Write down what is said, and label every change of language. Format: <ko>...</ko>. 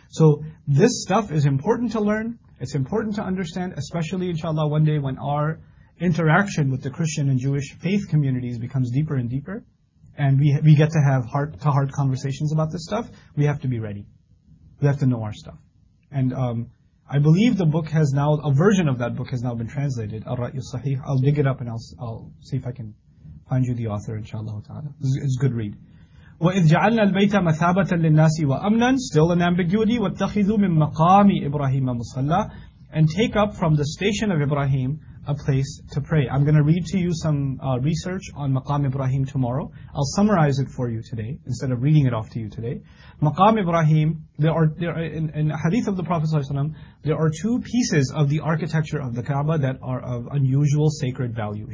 <en>So this stuff is important to learn. It's important to understand, especially inshallah one day when our interaction with the Christian and Jewish faith communities becomes deeper and deeper, and we get to have heart-to-heart conversations about this stuff, we have to be ready. We have to know our stuff. And I believe the book has now, a version of that book has now been translated, Al-Ra'yu Sahih. I'll dig it up and I'll see if I can find you the author, inshallah ta'ala. It's a good read.</en> <ar>وَإِذْ جَعَلْنَا الْبَيْتَ مَثَابَةً لِلنَّاسِ وَأَمْنًا</ar> <en>Still an ambiguity.</en> <ar>وَاتَّخِذُوا مِن مَقَامِ إِبْرَاهِيمَ مُصَلَّى</ar> <en>And take up from the station of Ibrahim a place to pray. I'm going to read to you some research on Maqam Ibrahim tomorrow. I'll summarize it for you today instead of reading it off to you today. Maqam Ibrahim, in the hadith of the Prophet ﷺ, there are two pieces of the architecture of the Kaaba that are of unusual sacred value.</en>